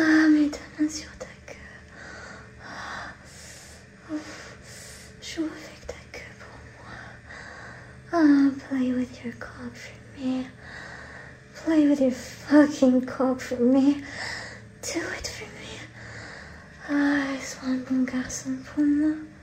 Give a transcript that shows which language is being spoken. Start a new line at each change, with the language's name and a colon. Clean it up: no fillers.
French: Mets ta main sur ta queue. Joue avec ta queue pour moi.
English: Play with your cock for me. Play with your fucking cock for me. Do it for me.
French: Sois un bon garçon pour moi.